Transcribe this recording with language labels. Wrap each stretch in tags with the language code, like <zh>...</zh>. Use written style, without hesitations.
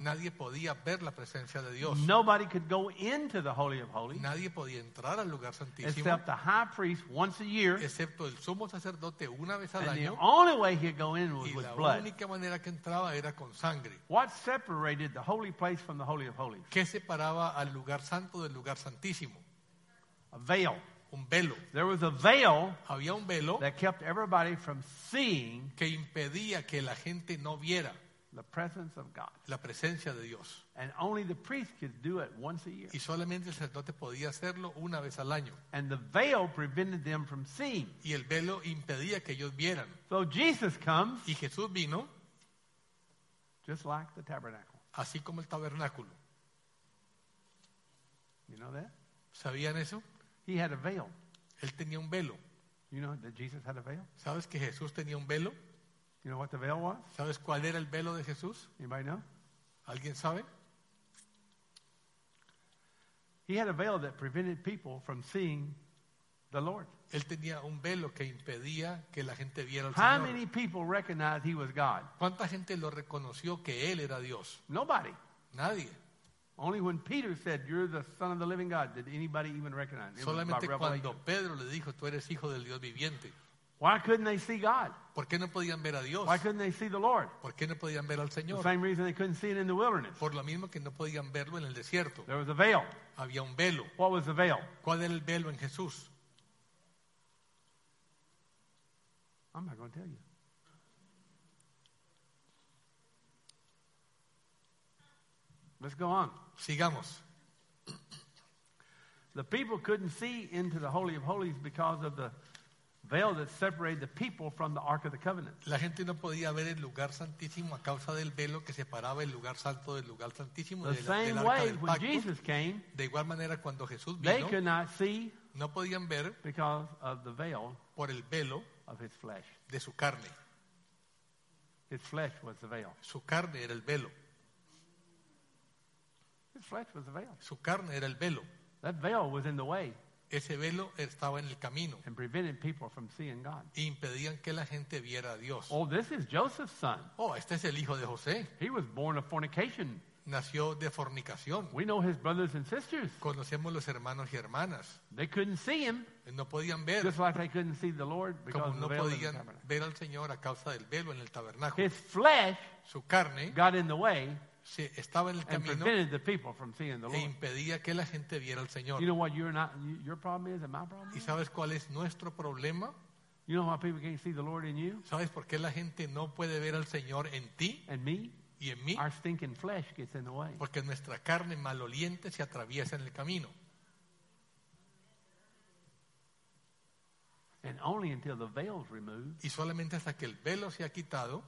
<es>Nadie podía ver la presencia de Dios.</es> <en>Nobody could go into the Holy of Holies.</en> <es>Nadie podía entrar al lugar santísimo.</es> <en>Except the high priest once a year.</en> <es>Excepto el sumo sacerdote una vez al</es> <en>and</en> <es>año.</es> <en>The only way he'd go in was</en> <es>y</es> <en>with</en> <es>la</es> <en>blood.</en> <es>Única manera que entraba era con sangre.</es> <en>What separated the holy place from the Holy of Holies?</en> <es>¿Qué separaba al lugar santo del lugar santísimo?</es> <en>A veil.</en> <es>Un velo.</es> <en>There was a veil.</en> <es>Había un velo</es> <en>that kept everybody from seeing</en> <es>que impedía que la gente no viera</es> <en>The presence of God.</en> <es>La presencia de Dios.</es> <en>And only the priest could do it once a year.</en> <es>Y solamente el sacerdote podía hacerlo una vez al año.</es> <en>And the veil prevented them from seeing.</en> <es>Y el velo impedía que ellos vieran.</es> <en>So Jesus comes.</en> <es>Y Jesús vino.</es> <en>Just like the tabernacle.</en> <es>Así como el tabernáculo.</es> <en>You know that?</en> <es>¿Sabían eso?</es> <en>He had a veil.</en> <es>Él tenía un velo.</es> <en>You know that Jesus had a veil?</en> <es>¿Sabes que Jesús tenía un velo?</es> <en>You know what the veil was?</en> <es>¿Sabes cuál era el velo de Jesús?</es> <en>Anybody know?</en> <es>¿Alguien sabe?</es> <en>He had a veil that prevented people from seeing the Lord.</en> <es>Él tenía un velo que impedía que la gente viera al</es> <en>How How many people recognized he was God?</en> <es>¿Cuánta gente lo reconoció que él era Dios?</es> <en>Nobody.</en> <es>Nadie.</es> <en>Only when Peter said, "You're the Son of the Living God," did anybody even recognize him.</en> <es>Solamente cuando Pedro le dijo, "Tú eres hijo del Dios viviente."</es> <en>Why couldn't they see God?</en> <es>¿Por qué no podían ver a Dios?</es> <en>Why couldn't they see the Lord?</en> <es>¿Por qué no podían ver al Señor?</es> <en>The same reason they couldn't see it in the wilderness.</en> <es>Por lo mismo que no podían verlo en el desierto.</es> <en>There was a veil.</en> <es>Había un velo.</es> <en>What was the veil?</en> <es>¿Cuál era el velo en Jesús?</es> <en>I'm not going to tell you. Let's go on.</en> <es>Sigamos.</es> <en>The people couldn't see into the Holy of Holies because of the veil that separated the people from the Ark of the Covenant.</en> <es>La gente no podía ver el lugar santísimo a causa del velo que separaba el lugar santo del lugar santísimo del Arca del Pacto.</es> <en>The same way when Jesus came,</en> <es>de igual manera cuando Jesús vino,</es> <en>they could not see,</en> <es>no podían ver,</es> <en>because of the veil,</en> <es>por el velo</es> <en>of his flesh,</en> <es>de su carne.</es> <en>His flesh was the veil.</en> <es>Su carne era el velo.</es> <en>His flesh was the veil.</en> <es>Su carne era el velo.</es> <en>That veil was in the way.</en> <es>Ese velo estaba en el camino.</es> <en>And preventing people from seeing God.</en> <es>Y impedían que la gente viera a Dios.</es> <en>Oh, this is Joseph's son.</en> <es>Oh, este es el hijo de José.</es> <en>He was born of fornication.</en> <es>Nació de fornicación.</es> <en>We know his brothers and sisters.</en> <es>Conocemos los hermanos y hermanas.</es> <en>They couldn't see him.</en> <es>No podían ver.</es> <en>Just like they couldn't see the Lord because</en> <es>como</es> <en>of the veil</en> <es>no podían</es> <en>in the tabernacle.</en> <es>Ver al Señor a causa del velo en el tabernáculo.</es> <en>His flesh,</en> <es>su carne,</es> <en>got in the way.</en> <es>Sí, estaba en el camino</es> <en>and prevented the people from seeing the Lord.</en> <es>E impedía que la gente viera al Señor.</es> <en>You know what you're not, your problem is and my problem is?</en> <es>¿Y sabes cuál es nuestro problema?</es> <en>You know why people can't see the Lord in you?</en> <es>¿Sabes por qué la gente no puede ver al Señor en ti?</es> <en>And me?</en> <es>Y en mí.</es> <en>Our stinking flesh gets in the way.</en> <es>Porque nuestra carne maloliente se atraviesa en el camino.</es> <en>And only until the veil is removed,</en> <es>y solamente hasta que el velo se ha quitado,</es>